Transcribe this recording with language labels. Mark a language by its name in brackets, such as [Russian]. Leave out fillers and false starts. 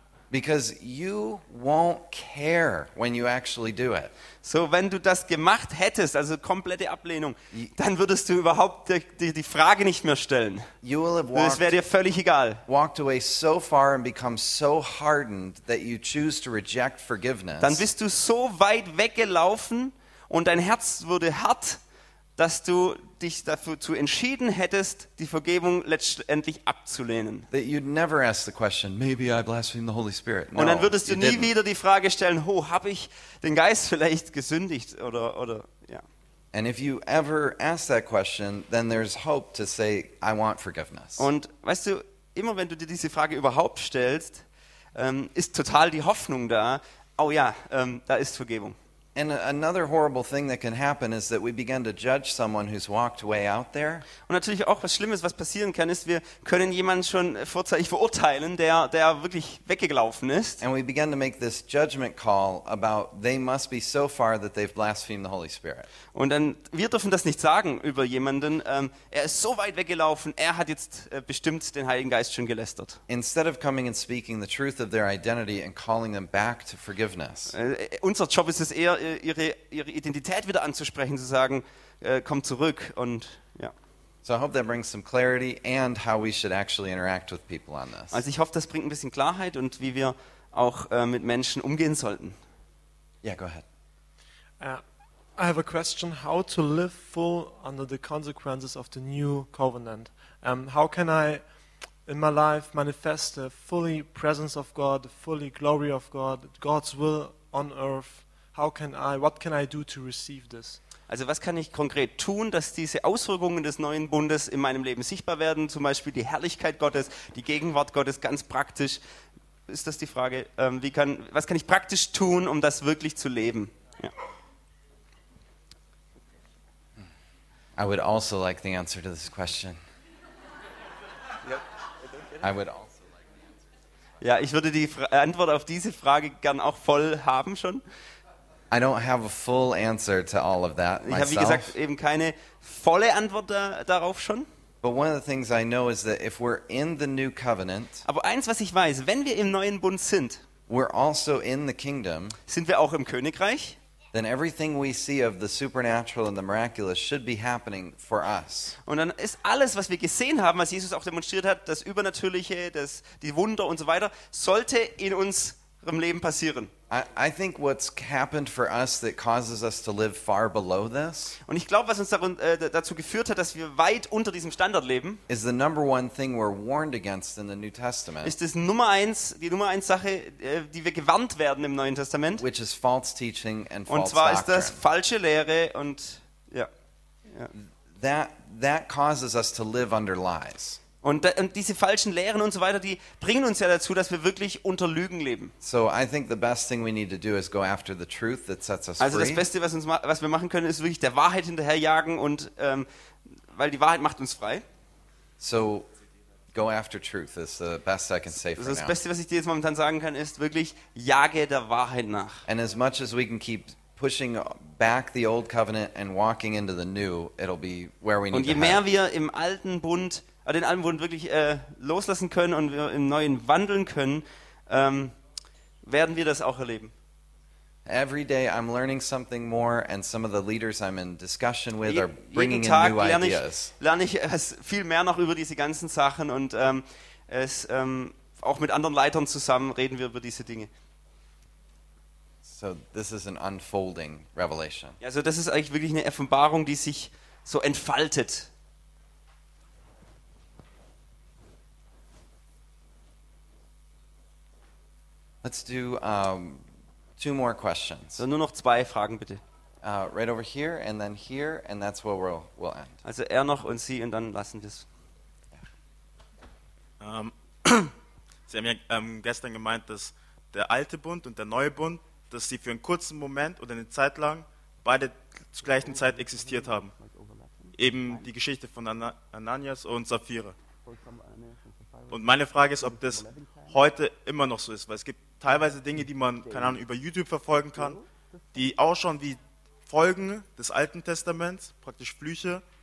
[English] Because you won't care when you actually do it. [German] So wenn du das gemacht hättest, also komplette Ablehnung, dann würdest du überhaupt die Frage nicht mehr stellen. Es wäre dir völlig egal. [English] Walked away so far and become so hardened that you choose to reject forgiveness. [German] Dann bist du so weit weggelaufen und dein Herz wurde hart, dass du dich dafür zu entschieden hättest, die Vergebung letztendlich abzulehnen. [English] That you'd never ask the question, maybe I blasphemed the Holy Spirit. [German] Und dann würdest du nie wieder die Frage stellen, ho, habe ich den Geist vielleicht gesündigt oder ja. [English] And if you ever ask that question, then there's hope to say I want forgiveness. [German] Und weißt du, immer wenn du dir diese Frage überhaupt stellst, ist total die Hoffnung da. Oh ja, da ist Vergebung. [English] And another horrible thing that can happen is that we begin to judge someone who's walked way out there. [German] Und natürlich auch was Schlimmes, was passieren kann, ist, wir können jemanden schon vorzeitig verurteilen, der wirklich weggelaufen ist. [English] And we begin to make this judgment call about they must be so far that they've blasphemed the Holy Spirit. [German] Und dann wir dürfen das nicht sagen über jemanden, er ist so weit weggelaufen, er hat jetzt bestimmt den Heiligen Geist schon gelästert. [English] Instead of coming and speaking the truth of their identity and calling them back to forgiveness. [German] Unser Job ist es eher, ihre Identität wieder anzusprechen, zu sagen, komm zurück und ja. [English] So I hope that brings some clarity and how we should actually interact with people on this. [German] Also ich hoffe, das bringt ein bisschen Klarheit und wie wir auch mit Menschen umgehen sollten. [English] Yeah, go ahead. I have a question, how to live full under the consequences of the new covenant. How can I in my life manifest the fully presence of God, the fully glory of God, God's will on earth? What can I do to receive this? [German] Also was kann ich konkret tun, dass diese Auswirkungen des neuen Bundes in meinem Leben sichtbar werden? Zum Beispiel die Herrlichkeit Gottes, die Gegenwart Gottes, ganz praktisch. Ist das die Frage? Was kann ich praktisch tun, um das wirklich zu leben? Ja. [English] I would also like the answer to this question. I would also like the answer to this question. [German] Ja, ich würde die Antwort auf diese Frage gern auch voll haben schon. [English] I don't have a full answer to all of that myself. [German] Ich habe, wie gesagt, eben keine volle Antwort darauf schon. [English] But one of the things I know is that if we're in the new covenant, [German] aber eins, was ich weiß, wenn wir im neuen Bund sind, [English] we're also in the kingdom, [German] sind wir auch im Königreich, [English] then everything we see of the supernatural and the miraculous should be happening for us. [German] Und dann ist alles, was wir gesehen haben, was Jesus auch demonstriert hat, das Übernatürliche, das die Wunder und so weiter, sollte in unserem Leben passieren. [English] I think what's happened for us that causes us to live far below this. [German] Und ich glaube, was uns darin, dazu geführt hat, dass wir weit unter diesem Standard leben, [English] is the number one thing we're warned against in the New Testament. [German] Ist das Nummer eins, die Nummer eins Sache, die wir gewarnt werden im Neuen Testament. [English] Which is false teaching and false [German] Und zwar [English] doctrine. [German] Ist das falsche Lehre und ja. [English] That causes us to live under lies. [German] Und diese falschen Lehren und so weiter, die bringen uns ja dazu, dass wir wirklich unter Lügen leben. [English] So I think the best thing we need to do is go after the truth that sets us free. [German] Also das Beste, was wir machen können, ist wirklich der Wahrheit hinterherjagen und weil die Wahrheit macht uns frei. [English] So go after truth is the best I can say for now. [German] Das Beste, was ich dir jetzt momentan sagen kann, ist wirklich jage der Wahrheit nach. [English] And as much as we can keep pushing back the old covenant and walking into the new, it'll be where we need to be. [German] Und je mehr wir im alten Bund den Alten Bund wirklich loslassen können und wir im Neuen wandeln können, werden wir das auch erleben. [English] Every day I'm learning something more and some of the leaders I'm in discussion with are bringing in new ideas. [German] Lerne ich viel mehr noch über diese ganzen Sachen und auch mit anderen Leitern zusammen reden wir über diese Dinge. [English] So this is an unfolding revelation. [German] Also das ist eigentlich wirklich eine Offenbarung, die sich so entfaltet. [English] Let's do two more questions. [German] So nur noch zwei Fragen bitte. [English] Right over here and then here and that's where we'll end. [German] Also er noch und sie und dann lassen wir's. Sie haben ja gestern gemeint, dass der alte Bund und der neue Bund, dass sie für einen kurzen Moment oder eine Zeit lang beide zur gleichen Zeit existiert haben. Eben die Geschichte von Ananias und Sapphira. Und meine Frage ist, ob das heute immer noch so ist, weil es gibt teilweise Dinge, die man, keine Ahnung, über YouTube verfolgen kann, die auch schon wie Folgen des Alten Testaments, praktisch Flüche.